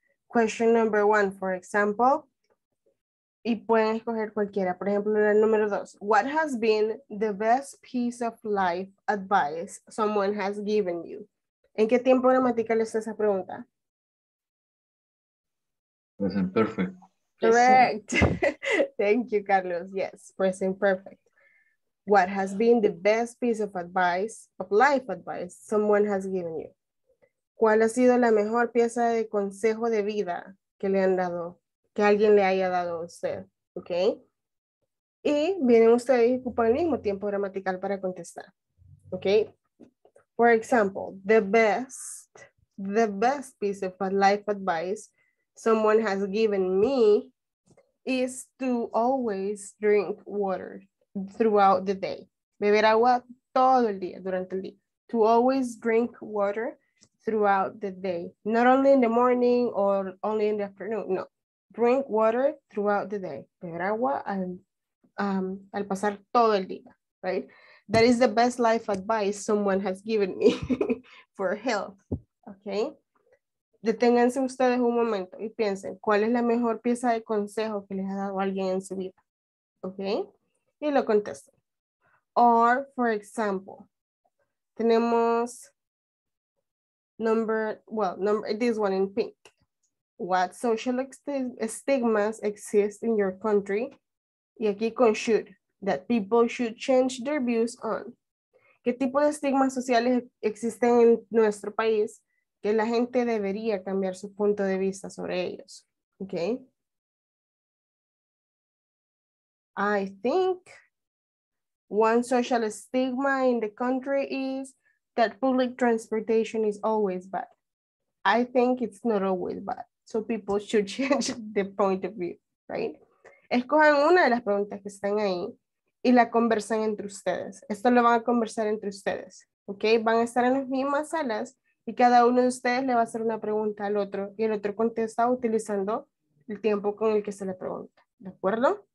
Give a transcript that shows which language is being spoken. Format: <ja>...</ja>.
<en>Question number one, for example,</en> <es>y pueden escoger cualquiera. Por ejemplo, la número dos.</es> <en>What has been the best piece of life advice someone has given you?</en> <es>¿En qué tiempo gramatical es esa pregunta?</es> <en>Present perfect. Correct. Yes. Thank you, Carlos. Yes, present perfect. What has been the best piece of advice, of life advice, someone has given you?</en> <es>¿Cuál ha sido la mejor pieza de consejo de vida que le han dado, que alguien le haya dado a usted? ¿Ok? Y vienen ustedes y ocupan el mismo tiempo gramatical para contestar.</es> <en>¿Ok? For example, the best piece of life advice someone has given me is to always drink water. Throughout the day.</en> <es>Beber agua todo el día, durante el día.</es> <en>To always drink water throughout the day. Not only in the morning or only in the afternoon.</en> <es>No.</es> <en>Drink water throughout the day.</en> <es>Beber agua al pasar todo el día. Right?</es> <en>That is the best life advice someone has given me for health. Okay?</en> <es>deténganse ustedes un momento y piensen cuál es la mejor pieza de consejo que les ha dado alguien en su vida.</es> <en>¿Ok?</en> <es>Y lo contestan.</es> <en>Or, for example,</en> <es>tenemos</es> <en>this one in pink. What social stigmas exist in your country?</en> <es>Y aquí con</es> <en>should, that people should change their views on.</en> <es>¿Qué tipo de estigmas sociales existen en nuestro país que la gente debería cambiar su punto de vista sobre ellos? ¿Ok?</es> <en>I think one social stigma in the country is that public transportation is always bad. I think it's not always bad. So people should change the point of view, right?</en> <es>Escojan una de las preguntas que están ahí y la conversan entre ustedes. Esto lo van a conversar entre ustedes, ¿ok? Van a estar en las mismas salas y cada uno de ustedes le va a hacer una pregunta al otro y el otro contesta utilizando el tiempo con el que se le pregunta, ¿de acuerdo?</es>